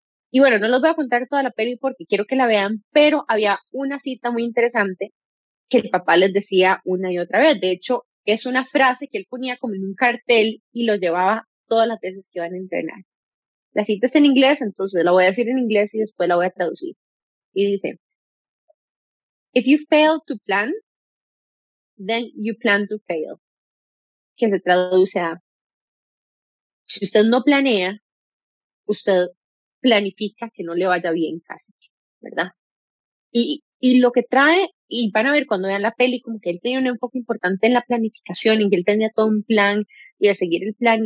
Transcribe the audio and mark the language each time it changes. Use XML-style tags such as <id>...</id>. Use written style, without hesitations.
<es>Y bueno, no los voy a contar toda la peli porque quiero que la vean, pero había una cita muy interesante que el papá les decía una y otra vez. De hecho, es una frase que él ponía como en un cartel y lo llevaba todas las veces que iban a entrenar. La cita es en inglés, entonces la voy a decir en inglés y después la voy a traducir. Y dice:</es> <en>If you fail to plan, then you plan to fail.</en> <es>Que se traduce a: si usted no planea, usted planifica que no le vaya bien casi, ¿verdad? Y lo que trae, y van a ver cuando vean la peli, como que él tenía un enfoque importante en la planificación, en que él tenía todo un plan y a seguir el plan.</es>